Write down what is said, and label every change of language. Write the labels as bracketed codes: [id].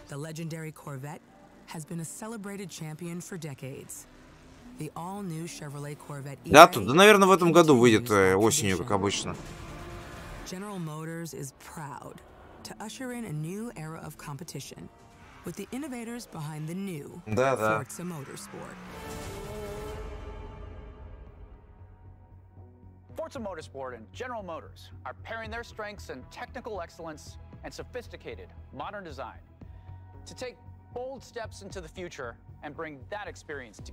[en] The legendary Corvette has been a celebrated champion for decades. The all-new Chevrolet Corvette E-Ray. [ru] Да, тут, да, наверное, в этом году выйдет осенью, как обычно. [en] General Motors is proud to usher in a new era of competition with the innovators behind the new Forza Motorsport. Forza Motorsport and General Motors are pairing their strengths and technical excellence and sophisticated modern design to take bold steps into the future and bring that experience to.